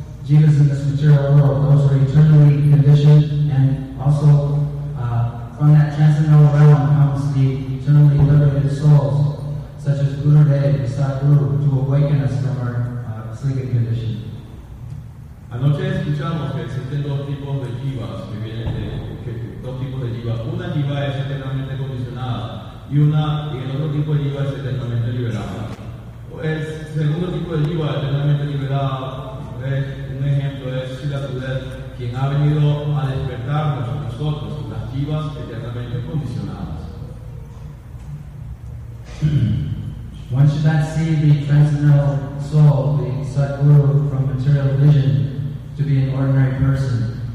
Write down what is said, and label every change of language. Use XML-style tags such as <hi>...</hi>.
<en>Jesus in this material world, those are eternally conditioned and also from that transcendental realm comes the eternally liberated souls, such as Gurudev and Sadhguru, to awaken us from our sleeping condition.</en> <es>Anoche escuchamos que existen dos tipos de jivas que vienen de dos tipos de jivas. Una jiva es eternamente condicionada y una y el otro tipo de jiva es eternamente liberada. El segundo tipo de jiva eternamente liberada es un ejemplo es Shila Tudel, quien ha venido a despertarnos a nosotros, las jivas eternamente condicionadas.</es> <en>One should not see the transcendental soul, the Sadhguru from material vision, to be an ordinary person.</en>